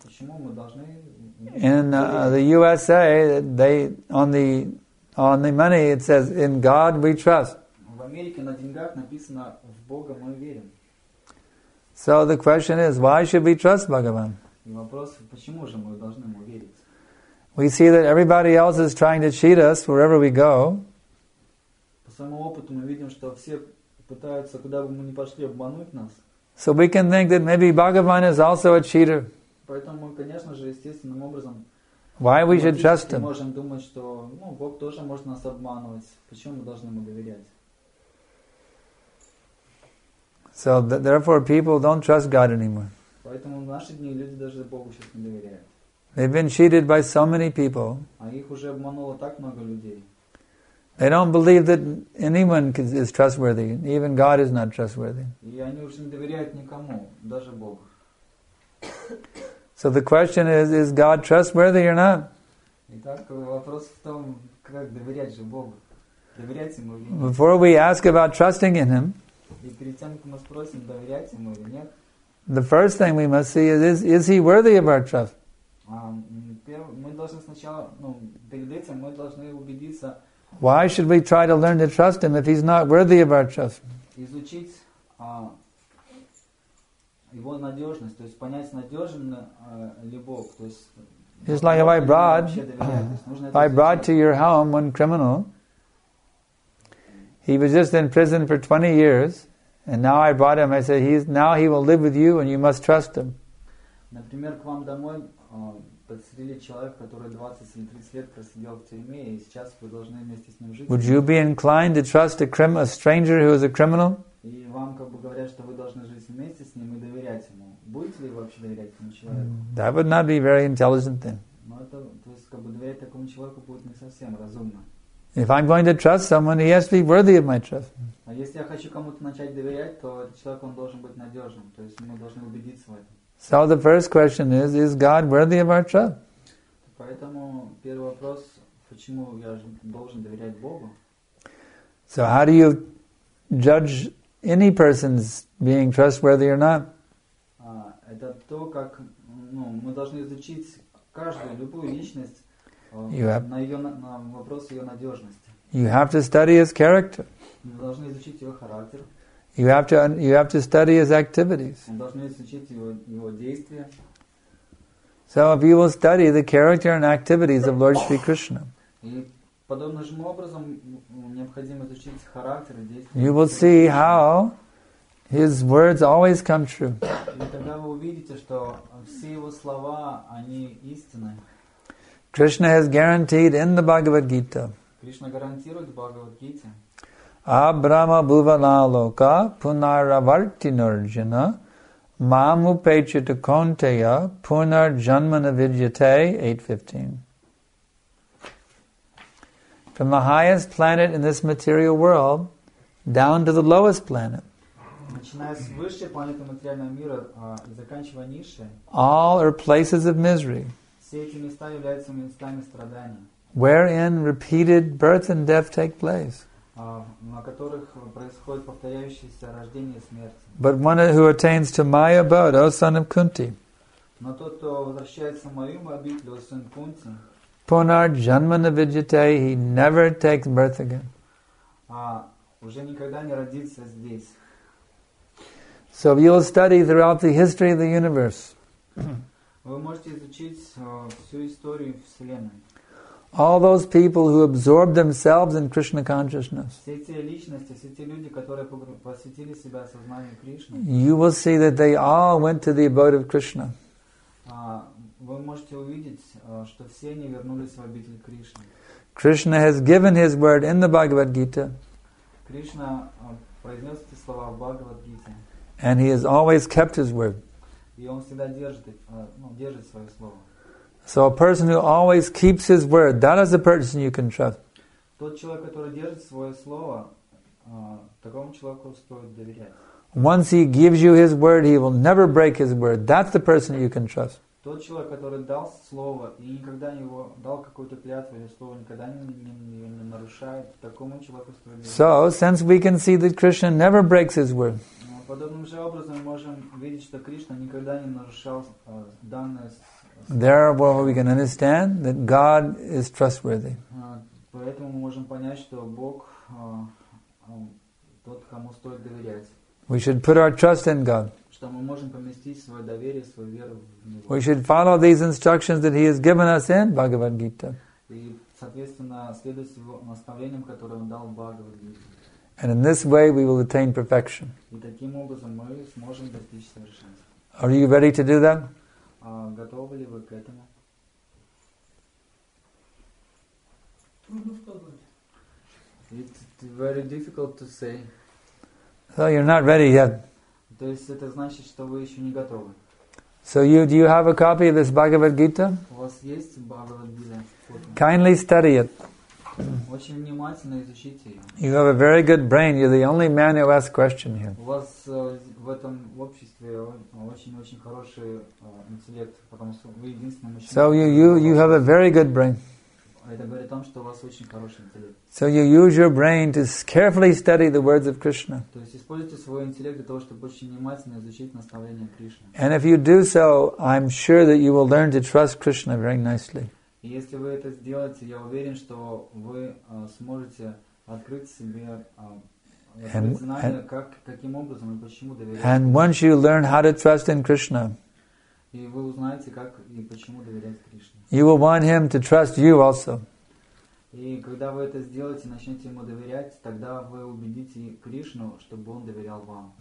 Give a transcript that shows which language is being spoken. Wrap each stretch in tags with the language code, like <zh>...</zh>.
<ru>Почему мы должны...</ru> <en>In the USA, they on the money it says, in God we trust.</en> <ru>В Америке на деньгах написано, в Бога мы верим.</ru> <en>So the question is, why should we trust Bhagavan?</en> <ru>И вопрос, почему же мы должны ему верить?</ru> <en>We see that everybody else is trying to cheat us wherever we go.</en> <ru>По самому опыту мы видим, что все пытаются, куда бы мы ни пошли, обмануть нас.</ru> <en>So we can think that maybe Bhagavan is also a cheater.</en> <ru>Поэтому, конечно же, естественным образом,</ru> <en>why we should trust him?</en> <ru>Мы можем думать, что, ну, Бог тоже может нас обманывать. Почему мы должны ему доверять?</ru> <en>So therefore people don't trust God anymore.</en> <ru>Поэтому в наши дни люди даже Богу сейчас не доверяют.</ru> <en>They've been cheated by so many people.</en> <ru>А их уже обмануло так много людей.</ru> <en>They don't believe that anyone is trustworthy. Even God is not trustworthy.</en> <ru>И они уже не доверяют никому, даже Богу.</ru> <en>So the question is God trustworthy or not?</en> <ru>Итак, вопрос в том, как доверять же Богу. Доверять ему или нет?</ru> <en>Before we ask about trusting in Him,</en> <ru>и перед тем, как мы спросим, доверять ему или нет,</ru> <en>the first thing we must see is He worthy of our trust?</en> <ru>Мы должны сначала, ну, перед этим мы должны убедиться.</ru> <en>Why should we try to learn to trust him if he's not worthy of our trust?</en> <ru>Изучить его надежность, то есть понять надежный ли Бог, то есть.</ru> <en>It's like if I brought, to your home one criminal. He was just in prison for 20 years, and now I brought him. I said he will live with you, and you must trust him.</en> <ru>Например, к вам домой. Подстрелили человека, который 20 или 30 лет просидел в тюрьме, и сейчас вы должны вместе с ним жить.</ru> <en>Would you be inclined to trust a stranger who is a criminal?</en> <ru>И вам как бы говорят, что вы должны жить вместе с ним и доверять ему. Будете ли вы вообще доверять этому человеку?</ru> <en>That would not be very intelligent then.</en> <ru>Ну, это, то есть, как бы доверять такому человеку будет не совсем разумно.</ru> <en>If I'm going to trust someone, he has to be worthy of my trust.</en> <ru>А если я хочу кому-то начать доверять, то этот человек, он должен быть надежным. То есть, мы должны убедиться в этом.</ru> <en>So the first question is God worthy of our trust?</en> <ru>Поэтому первый вопрос, почему я должен доверять Богу?</ru> <en>So how do you judge any person's being trustworthy or not?</en> <ru>Это то, как, ну, мы должны изучить каждую, любую личность на вопрос ее надежности.</ru> <en>You have to study his character.</en> <ru>Мы должны изучить его характер.</ru> <en>You have to study his activities.</en> <ru>Мы должны изучить его действия.</ru> <en>So if you will study the character and activities of Lord Shri Krishna,</en> <ru>и подобным же образом необходимо изучить характер и действия.</ru> <en>You will see how his words always come true.</en> <ru>И тогда вы увидите, что все его слова, они истинны.</ru> <en>Krishna has guaranteed in the Bhagavad Gita.</en> <ru>Кришна гарантирует в Бхагавад Гите.</ru> <sa>Абрама бувана лока пунаравартинарджана мам упечита контея пунарджанмана виджате 8:15.</sa> <en>From the highest planet in this material world down to the lowest planet.</en> <ru>Начиная с высшей планеты материального мира и заканчивая низшей.</ru> <en>All are places of misery.</en> <ru>Все эти места являются местами страдания.</ru> <en>Wherein repeated birth and death take place.</en> <ru>На которых происходит повторяющееся рождение и смерть.</ru> <en>But one who attains to my abode, O son of Kunti.</en> <ru>Но тот, кто возвращается в мою обитель, о сын Кунти.</ru> <sa>Punar janmana vidyate,</sa> <en>he never takes birth again.</en> <ru>Уже никогда не родится здесь.</ru> <en>So you will study throughout the history of the universe.</en> <ru>Вы можете изучить всю историю Вселенной.</ru> <en>All those people who absorb themselves in Krishna consciousness.</en> <ru>Все эти личности, все эти люди, которые посвятили себя сознанию Кришны.</ru> <en>You will see that they all went to the abode of Krishna.</en> <ru>Вы можете увидеть, что все они вернулись в обитель Кришны.</ru> <en>Krishna has given his word in the Bhagavad Gita.</en> <ru>Кришна произнес эти слова в Бхагавад Гите.</ru> <en>And he has always kept his word.</en> <ru>И он всегда держит свое слово.</ru> <en>So a person who always keeps his word, that is a person you can trust.</en> <ru>Тот человек, который держит свое слово, такому человеку стоит доверять.</ru> <en>Once he gives you his word, he will never break his word. That's the person you can trust.</en> <ru>Тот человек, который дал слово и никогда не его дал какую-то клятву, или слово никогда не нарушает, такому человеку стоит.</ru> <en>So, since we can see that Krishna never breaks his word.</en> <ru>Подобным же образом можем видеть, что Кришна никогда не нарушал данное.</ru> <en>Therefore, we can understand that God is trustworthy.</en> <ru>Поэтому мы можем понять, что Бог тот, кому стоит доверять.</ru> <en>We should put our trust in God.</en> <ru>Что мы можем поместить свое доверие, свою веру в Него.</ru> <en>We should follow these instructions that He has given us in Bhagavad Gita.</en> <ru>И соответственно следовать его наставлениям, которые Он дал в Бхагавад Гите.</ru> <en>And in this way we will attain perfection.</en> <ru>И таким образом мы сможем достичь совершенства.</ru> <en>Are you ready to do that?</en> <ru>Готовы ли вы к этому? Трудно сказать.</ru> <en>It's very difficult to say. So you're not ready yet.</en> <ru>То есть это значит, что вы еще не готовы.</ru> <en>So you do you have a copy of this Bhagavad Gita?</en> <ru>У вас есть Bhagavad Gita?</ru> <en>Kindly study it.</en> <ru>Очень внимательно изучите ее.</ru> <en>You have a very good brain. You're the only man who asks questions here.</en> <ru>У вас в этом обществе очень-очень хороший интеллект, потому что вы единственный мужчина.</ru> <en>So you have a very good brain.</en> <ru>Это говорит о том, что у вас очень хороший интеллект.</ru> <en>So you use your brain to carefully study the words of Krishna.</en> <ru>То есть используйте свой интеллект для того, чтобы очень внимательно изучить наставления Кришны.</ru> <en>And if you do so, I'm sure that you will learn to trust Krishna very nicely.</en> <ru>И если вы это сделаете, я уверен, что вы сможете открыть себе знание, каким образом и почему доверять.</ru> <en>And once you learn how to trust in Krishna,</en> <ru>и вы узнаете, как и почему доверять Кришне.</ru> <en>You will want Him to trust you also.</en> <ru>И когда вы это сделаете, начнете Ему доверять, тогда вы убедите Кришну, чтобы Он доверял вам.</ru>